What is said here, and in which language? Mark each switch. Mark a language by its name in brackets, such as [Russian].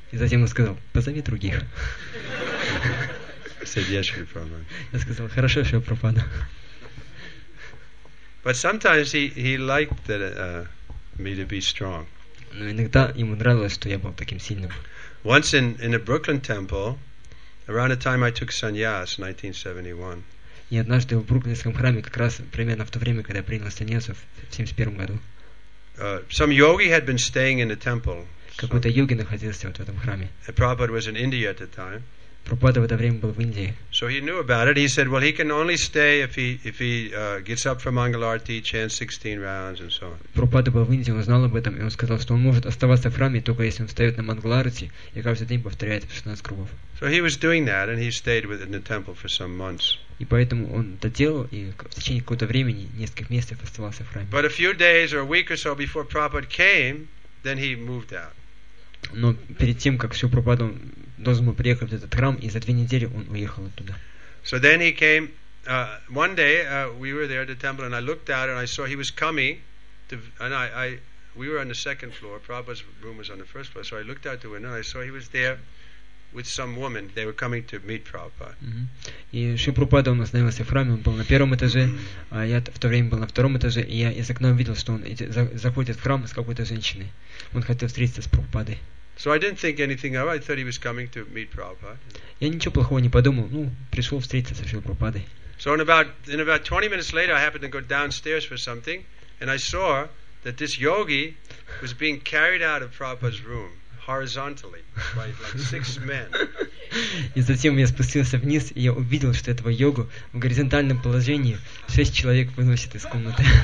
[Russian] И затем он сказал, позови других. [English] I said, "Yes, Shri Prabhupada." [Russian] Я сказал, хорошо, Шрила Прабхупада. [English] But sometimes he liked that me to be strong. [Russian] Но иногда ему нравилось, что я был таким сильным. [English] Once in a Brooklyn temple. Around the time I took sannyas, 1971. [Russian] И однажды в Бруклинском храме, как раз примерно в то время, когда я принял сannyas в 71 году. [English] Some yogi had been staying in the temple. [Russian] Какой-то йоги находился вот в этом храме. [English] Prabhupada was in India at the time. [Russian] Прабхупада в это время был в Индии. [English] So he knew about it. He said, "Well, he can only stay if he gets up from Mangal Arati, chants 16 rounds, and so on." [Russian] Прабхупада был в Индии, он знал об этом, и он сказал, что он может оставаться в храме только если он встает на Мангал Арати и каждый день повторяет 16 кругов. [English] So he was doing that, and he stayed within the temple for some months. [Russian] И поэтому он это делал, и в течение какого-то времени нескольких месяцев оставался в храме. [English] But a few days or a week or so before Prabhupada came, then he moved out. [Russian] Но перед тем, как Шрила Прабхупада должен был приехать в этот храм, и за две недели он уехал оттуда. [English] So then he came, one day we were there at the temple, and I looked out and I saw he was coming, we were on the second floor, Prabhupada's room was on the first floor, so I looked out the window and I saw he was there with some woman, they were coming to meet Prabhupada. [Russian] И Шрила Прабхупада, он остановился в храме, он был на первом этаже, а я в то время был на втором этаже, и я из окна видел, что он заходит в храм с какой-то женщиной. Он хотел встретиться с Прабхупадой. [English] So I didn't think anything of it. I thought he was coming to meet Prabhupada. [Russian] Я ничего плохого не подумал. Ну, пришел встретиться с Шрилой Прабхупадой. [English] So in about 20 minutes later, I happened to go downstairs for something, and I saw that this yogi was being carried out of Prabhupada's room horizontally by like six men. [Russian] И затем я спустился вниз, и я увидел, что этого йогу в горизонтальном положении шесть человек выносят из комнаты.